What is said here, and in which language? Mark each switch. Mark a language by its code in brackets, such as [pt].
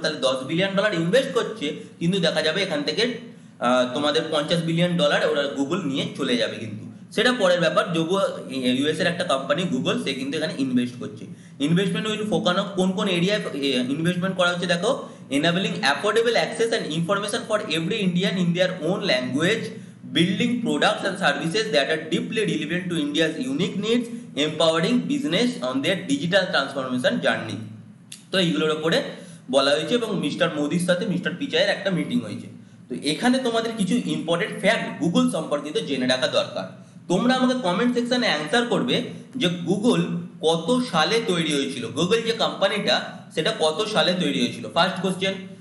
[bn] তাহলে $10 billion invest করছে, কিন্তু দেখা যাবে এখান থেকে তোমাদের $50 বিলিয়ন ওরা গুগল নিয়ে চলে যাবে, কিন্তু সেটা পরের ব্যাপার। যোগ ইউএস এর একটা কোম্পানি গুগল, সে কিন্তু এখানে ইনভেস্ট করছে। [en] investment will focus on [bn] কোন কোন এরিয়ায় ইনভেস্টমেন্ট করা হচ্ছে দেখো, [en] enabling affordable access and information for every Indian in their own language, building products and services that are deeply relevant to India's unique needs, empowering business on their digital transformation journey. [bn] তো এইগুলোর উপরে বলা হয়েছে এবং mister মোদির সাথে mister পিচাইয়ের একটা meeting হয়েছে। তো এখানে তোমাদের কিছু ইম্পর্টেন্ট ফ্যাক্ট গুগল সম্পর্কিত জেনে রাখা দরকার। তোমরা আমাকে কমেন্ট সেকশনে অ্যান্সার করবে যে গুগল কত সালে তৈরি হয়েছিল, গুগল যে কোম্পানিটা সেটা কত সালে তৈরি হয়েছিল, ফার্স্ট কোশ্চেন।